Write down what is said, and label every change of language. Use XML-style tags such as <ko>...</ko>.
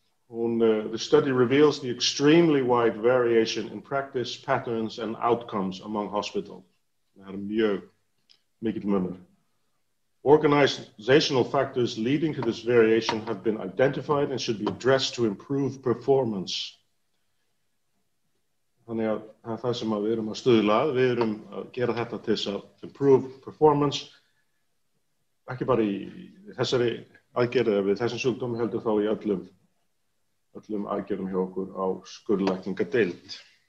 <en>The study reveals the extremely wide variation in practice, patterns and outcomes among hospitals.</en> <is>Það eru mjög mikill munur.</is> <en>Organizational factors leading to this variation have been identified and should be addressed to improve performance.</en> <is>Þannig að það er það sem við erum að stuðla að, við erum að gera þetta til þess að</is> <en>improve performance,</en> <is>ekki bara í þessari aðgerðu eða við þessum sjúkdómi heldur þá í öllum aðgerðum hjá okkur á skurðlækningadeild.</is>